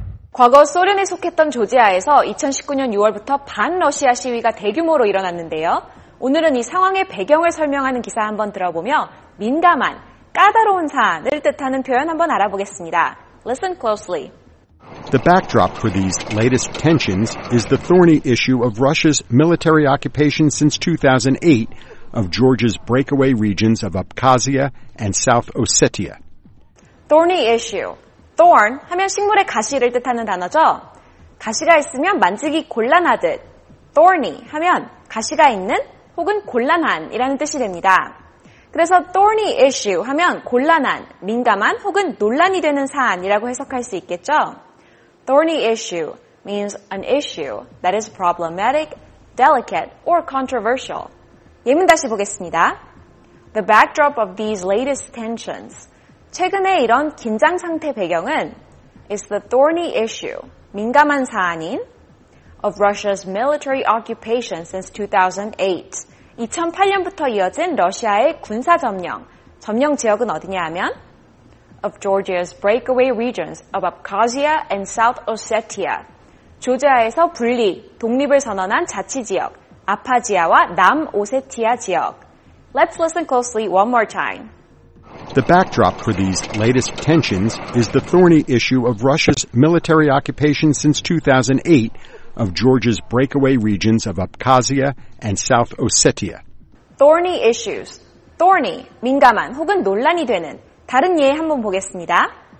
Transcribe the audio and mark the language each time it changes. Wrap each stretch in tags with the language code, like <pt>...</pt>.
<ko>과거 소련에 속했던 조지아에서 2019년 6월부터 반러시아 시위가 대규모로 일어났는데요. 오늘은 이 상황의 배경을 설명하는 기사 한번 들어보며 민감한, 까다로운 사안을 뜻하는 표현 한번 알아보겠습니다.</ko> <en>Listen closely. The backdrop for these latest tensions is the thorny issue of Russia's military occupation since 2008 of Georgia's breakaway regions of Abkhazia and South Ossetia. Thorny issue.</en> <ko>Thorn 하면 식물의 가시를 뜻하는 단어죠. 가시가 있으면 만지기 곤란하듯. Thorny 하면 가시가 있는 혹은 곤란한이라는 뜻이 됩니다. 그래서 thorny issue 하면 곤란한, 민감한 혹은 논란이 되는 사안이라고 해석할 수 있겠죠.</ko> <en>Thorny issue means an issue that is problematic, delicate, or controversial. 예문 다시 보겠습니다. The backdrop of these latest tensions,</en> <ko>최근에 이런 긴장 상태 배경은</ko> <en>is the thorny issue,</en> <ko>민감한 사안인</ko> <en>of Russia's military occupation since 2008.</en> <ko>2008년부터 이어진 러시아의 군사 점령, 점령 지역은 어디냐 하면</ko> <en>of Georgia's breakaway regions of Abkhazia and South Ossetia.</en> <ko>조지아에서 분리, 독립을 선언한 자치지역, 아파지아와 남오세티아 지역.</ko> <en>Let's listen closely one more time. The backdrop for these latest tensions is the thorny issue of Russia's military occupation since 2008 of Georgia's breakaway regions of Abkhazia and South Ossetia. Thorny issues.</en> <ko>Thorny, 민감한 혹은 논란이 되는 다른 예 한번 보겠습니다.</ko>